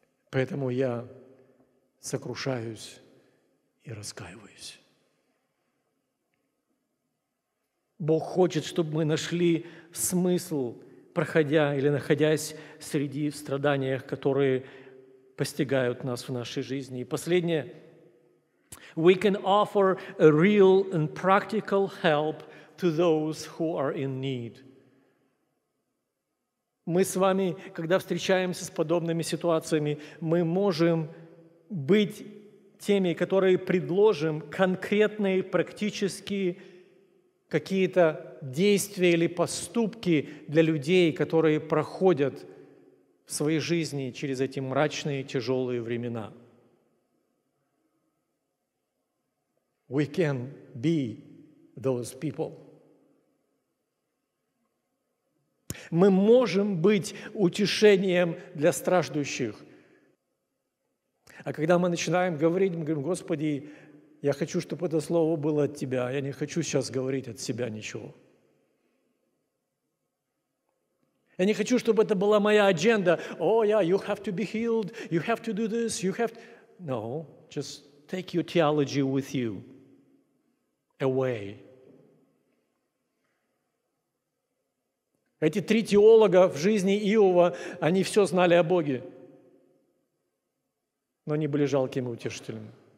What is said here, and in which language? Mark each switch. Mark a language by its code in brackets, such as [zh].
[ru] Поэтому я сокрушаюсь и раскаиваюсь. Бог хочет, чтобы мы нашли смысл, проходя или находясь среди страданий, которые постигают нас в нашей жизни. И последнее. [en] We can offer a real and practical help to those who are in need. [ru] Мы с вами, когда встречаемся с подобными ситуациями, мы можем быть теме, которые предложим конкретные, практические какие-то действия или поступки для людей, которые проходят в своей жизни через эти мрачные, тяжелые времена. [en] We can be those people. [ru] Мы можем быть утешением для страждущих. А когда мы начинаем говорить, мы говорим: «Господи, я хочу, чтобы это слово было от Тебя, я не хочу сейчас говорить от себя ничего. Я не хочу, чтобы это была моя агенда. [en] Oh, yeah, you have to be healed, you have to do this, you have to... No, just take your theology with you away». [ru] Эти три теолога в жизни Иова, они все знали о Боге, но они были жалкими утешителями.